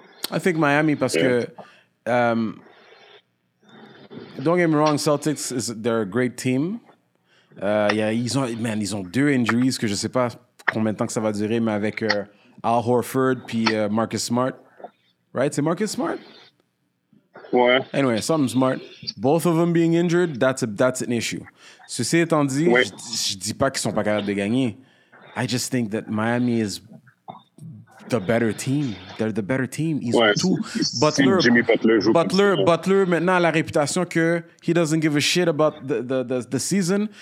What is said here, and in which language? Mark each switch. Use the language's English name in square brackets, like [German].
[English] I think Miami [French] parce que [English] don't get me wrong, Celtics is, they're a great team. [French] Ils ont deux injuries que je sais pas combien de temps que ça va durer, mais avec Al Horford puis Marcus Smart, right? C'est Marcus Smart. Ouais. [English] Anyway, something smart. Both of them being injured, that's an issue. [French] Ceci étant dit, ouais. Je dis pas qu'ils sont pas capables de gagner. [English] I just think that Miami is the better team. They're the better team. [French] Ils ont tout. [English] Butler, [French] Jimmy Butler, joue Butler, comme ça. Butler maintenant a la réputation que [English] he doesn't give a shit about the season.